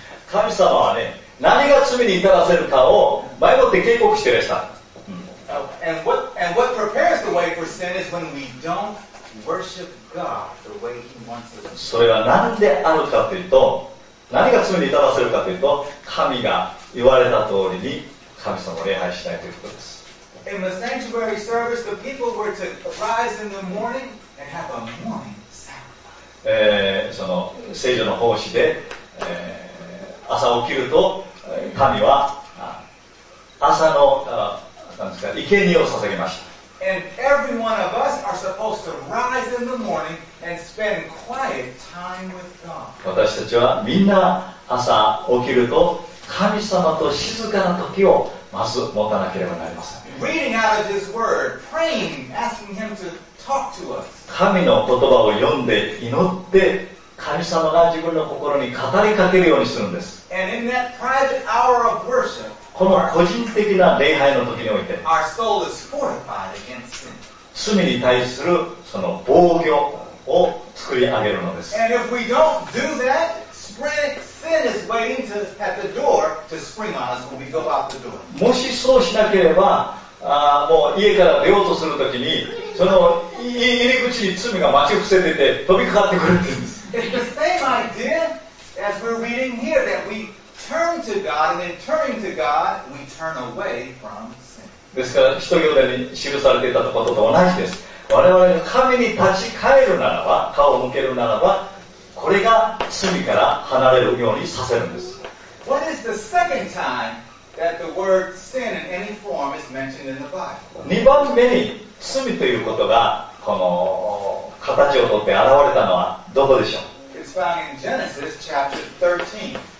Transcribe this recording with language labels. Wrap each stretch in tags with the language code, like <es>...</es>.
<ja>神様はね、何が罪に至らせるかを前もって警告してました。</ja> <en>And what prepares the way for sin is when we don't worship God the way He wants us.</en> <ja>それは何であるかというと。何が罪に至らせるかというと神が言われた通りに神様を礼拝しないということです。</ja> <en>In the sanctuary service, the people were to rise in the morning and have a morning sacrifice.</en> <ja>その聖女の奉仕で、朝起きると神は朝の生贄を捧げました。</ja> <en>And every one of us are supposed to rise in the morningAnd spend quiet time with God.</en> <ja>私たちはみんな朝起きると神様と静かな時をまず持たなければなりません。</ja> <en>reading out of His Word, praying, asking Him to talk to us.</en> <ja>神の言葉を読んで祈って神様が自分の心に語りかけるようにするんです。</ja> <en>And in that private hour of worship,</en> <ja>この個人的な礼拝の時において</ja> <en>our soul is fortified against sin.</en> <ja>罪に対するその防御を作り上げるのです。</ja> <en>And if we don't do that, sin is waiting to, at the door to spring on us when we go out the door.</en> <ja>もしそうしなければもう家から出ようとするときにその入り口に罪が待ち伏せてて飛びかかってくるんです。</ja> <en>It's the same idea as we're reading here that we turn to God and in turning to God we turn away from sin.</en> <ja>ですから使徒行伝に記されていたことと同じです。我々が神に立ち返るならば顔を向けるならばこれが罪から離れるようにさせるんです。</ja> <en>What is the second time that the word sin in any form is mentioned in the Bible?</en> <ja>2番目に罪ということがこの形をとって現れたのはどこでしょう？</ja> <en>It's found in Genesis chapter 13.</en>